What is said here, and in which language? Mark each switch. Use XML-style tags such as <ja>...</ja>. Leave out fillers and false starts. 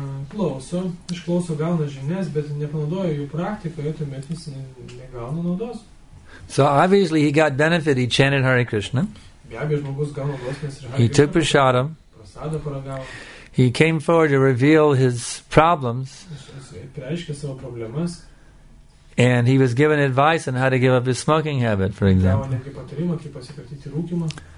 <lt>Klauso, išklauso gauna žinias, bet nepanaudoja jų praktikoje, tuomet jis negauna naudos.</lt> <en>So obviously he got benefit, he chanted Hare Krishna.</en> <lt>Be abejo, žmogus gauna naudos, nes Hare</lt> <en>Krishna. He took prasadam.</en> <lt>Prasadą paragavo.</lt> <en>He came forward to reveal his problems.</en> <lt>Pareiškė savo problemas.</lt> <en>And he was given advice on how to give up his smoking habit, for example.</en> <lt>Gavo netgi patarimą, kaip pasikratyti rūkymą.</lt>